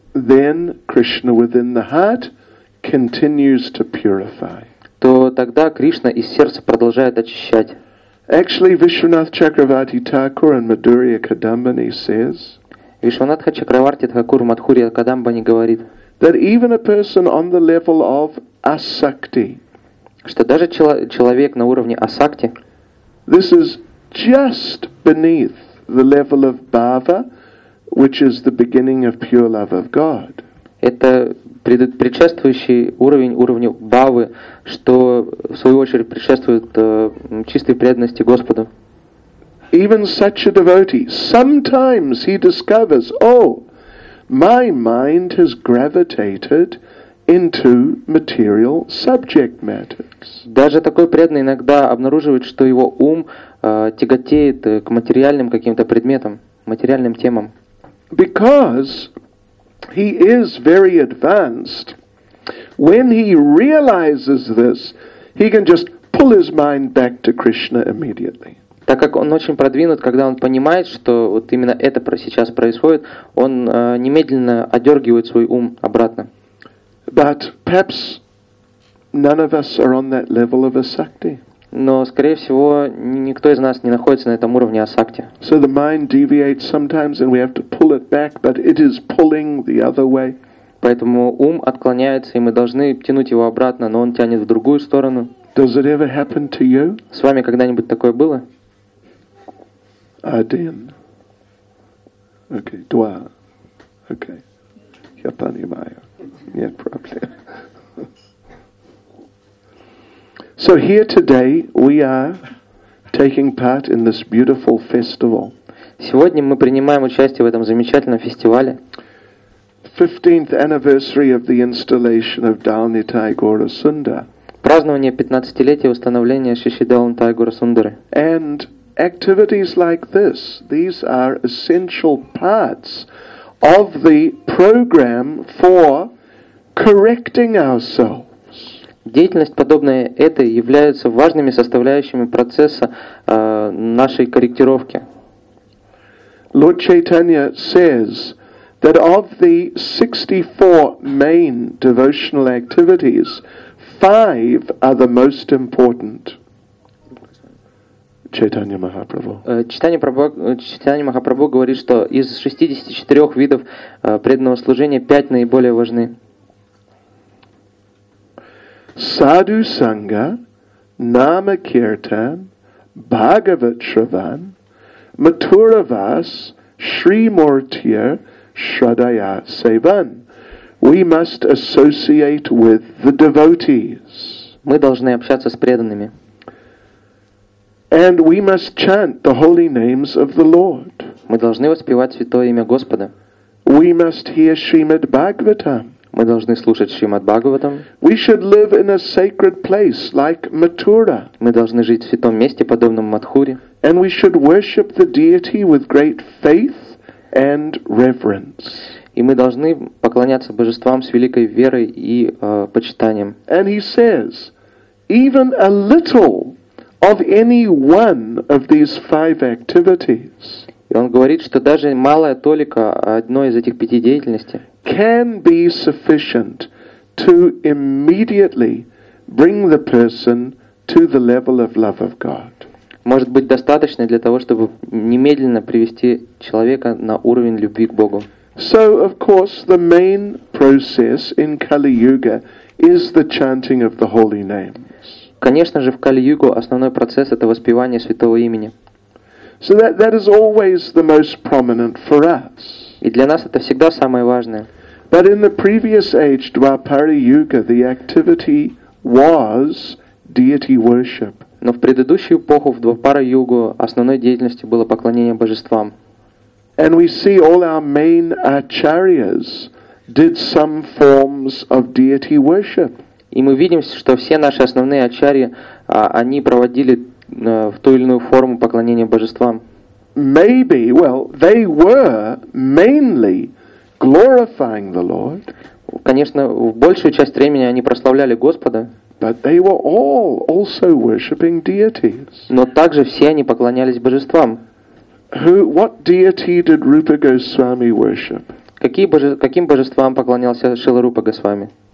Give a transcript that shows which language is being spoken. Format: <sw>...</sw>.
<en>then Krishna within the heart continues to purify.</en> <ru>То тогда Кришна из сердца продолжает очищать.</ru> <en>Actually, Vishwanath Chakravarti Thakur and Madhurya Kadambani says,</en> <ru>Вишванатха Чакраварти Тхакур Мадхурья Кадамбани говорит,</ru> <en>that even a person on the level of asakti,</en> <ru>что даже человек на уровне асакти,</ru> <en>this is just beneath the level of bhava, which is the beginning of pure love of God.</en> <ru>Это предшествующий уровню бхавы, что в свою очередь предшествует чистой преданности Господу.</ru> <en>Even such a devotee, sometimes he discovers, oh, my mind has gravitated into material subject matters.</en> <ru>Даже такой преданный иногда обнаруживает, что его ум тяготеет к материальным каким-то предметам, материальным темам.</ru> <en>Because he is very advanced, when he realizes this, he can just pull his mind back to Krishna immediately.</en> <ru>Так как он очень продвинут, когда он понимает, что вот именно это сейчас происходит, он немедленно одергивает свой ум обратно.</ru> <en>But perhaps none of us are on that level of asakti.</en> <ru>Но, скорее всего, никто из нас не находится на этом уровне асакти.</ru> <en>So the mind deviates sometimes and we have to pull it back, but it is pulling the other way.</en> <ru>Поэтому ум отклоняется, и мы должны тянуть его обратно, но он тянет в другую сторону.</ru> <en>Does it ever happen to you?</en> <ru>С вами когда-нибудь такое было? Один. Окей, два. Окей. Я понимаю. Нет проблем.</ru> <en>So here today we are taking part in this beautiful festival.</en> <ru>Сегодня мы принимаем участие в этом замечательном фестивале.</ru> <en>15th anniversary of the installation of Dalnitai Gora Sundar.</en> <ru>Празднование 15-летия установления Шиши Далнитай Гора Сундары.</ru> <en>And activities like this, these are essential parts of the program for correcting ourselves.</en> <ru>Деятельность, подобная этой, является важными составляющими процесса нашей корректировки.</ru> <en>Lord Chaitanya says that of the 64 main devotional activities, 5 are the most important. Chaitanya Mahaprabhu.</en> <ru>Chaitanya Mahaprabhu говорит, что из 64 видов преданного служения 5 наиболее важны.</ru> <sa>Sadhu Sangha, Nama Kirtan, Bhagavat Shravan, Mathura Vas, Shri Murtir, Shradaya Sevan.</sa> <en>We must associate with the devotees.</en> <ru>Мы должны общаться с преданными.</ru> <en>And we must chant the holy names of the Lord.</en> <ru>Мы должны воспевать святое имя Господа.</ru> <en>We must hear Srimad Bhagavatam.</en> <ru>Мы должны слушать Шримад Бхагаватам.</ru> <en>We should live in a sacred place like Mathura.</en> <ru>Мы должны жить в святом месте, подобном Матхуре.</ru> <en>And we should worship the deity with great faith and reverence.</en> <ru>И мы должны поклоняться божествам с великой верой и почитанием.</ru> <en>And he says, even a little of any one of these 5 activities.</en> <ru>И он говорит, что даже малая толика одной из этих 5 деятельностей</ru> <en>can be sufficient to immediately bring the person to the level of love of God.</en> <ru>Может быть достаточно для того, чтобы немедленно привести человека на уровень любви к Богу.</ru> <en>So, of course, the main process in Kali-Yuga is the chanting of the holy names.</en> <ru>Конечно же, в Кали-Югу основной процесс – это воспевание святого имени.</ru> <en>So that is always the most prominent for us.</en> <ru>И для нас это всегда самое важное.</ru> <en>But in the previous age, Dwapara Yuga, the activity was deity worship.</en> <ru>Но в предыдущую эпоху, в Двапара Югу, основной деятельностью было поклонение божествам.</ru> <en>And we see all our main acharyas did some forms of deity worship.</en> <ru>И мы видим, что все наши основные ачарьи, они проводили в ту или иную форму поклонения божествам.</ru> <en>Maybe, well, they were mainly glorifying the Lord.</en> <ru>Конечно, в большую часть времени они прославляли Господа.</ru> <en>But they were all also worshiping deities.</en> <ru>Но также все они поклонялись божествам.</ru> <en>What deity did Rupa Goswami worship?</en> <ru>Каким божествам поклонялся Шрила Рупа Госвами?</ru>